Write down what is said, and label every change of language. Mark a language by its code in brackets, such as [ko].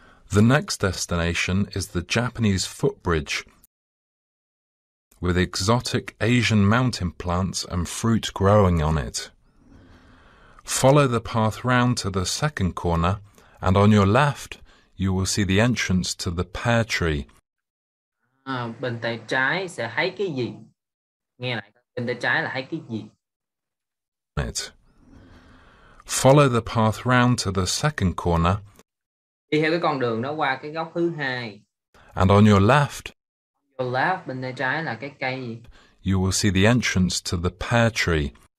[en] The next destination is the Japanese footbridge with exotic Asian mountain plants and fruit growing on it. Follow the path round to the second corner, and on your left you will see the entrance to the pear tree. [vi] Bên tay trái sẽ thấy cái gì? Nghe lại, bên tay trái là thấy cái gì? [en] It. Follow the path round to the second corner. [vi] Đi theo cái con đường đó qua cái góc thứ hai. [en] And on your left. On your left, [vi] bên tay trái là cái cây. [en] You will see the entrance to the pear tree.